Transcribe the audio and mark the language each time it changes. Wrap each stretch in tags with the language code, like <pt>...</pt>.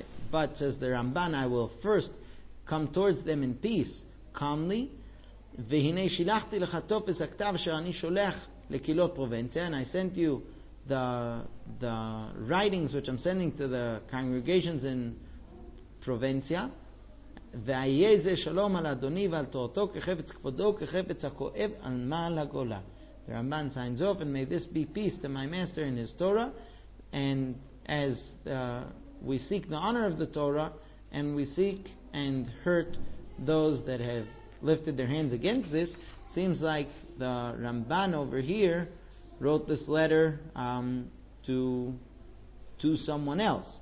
<en>But says the Ramban, I will first come towards them in peace, calmly.</en> <he>והנה שילחתי לך טופס הכתב שאני שולח לקהילות פרובנציה,</he> <en>and I sent you the writings which I'm sending to the congregations in פרובנציה.</en> <he>והיה זה שלום על אדוני ועל תורתו כחפץ כבודו כחפץ הכואב על מעל הגולה.</he> <en>The Ramban signs off, and may this be peace to my master and his Torah, and as we seek the honor of the Torah, and we seek and hurt those that have lifted their hands against this. Seems like the Ramban over here wrote this letter to someone else.</en>